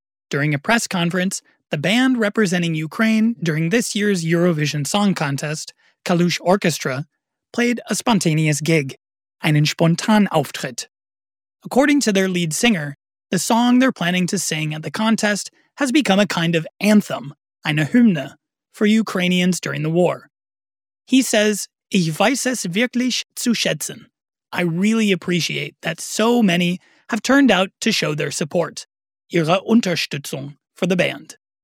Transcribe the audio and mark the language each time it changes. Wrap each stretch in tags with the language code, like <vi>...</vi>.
<en>During a press conference, the band representing Ukraine during this year's Eurovision Song Contest, Kalush Orchestra, played a spontaneous gig,</en> <de>einen Spontanauftritt.</de> <en>According to their lead singer, the song they're planning to sing at the contest has become a kind of anthem,</en> <de>eine Hymne,</de> <en>for Ukrainians during the war. He says,</en> <de>"Ich weiß es wirklich zu schätzen.</de> <en>I really appreciate that so many have turned out to show their support,</en> <de>ihre Unterstützung</de> <en>for the band."</en>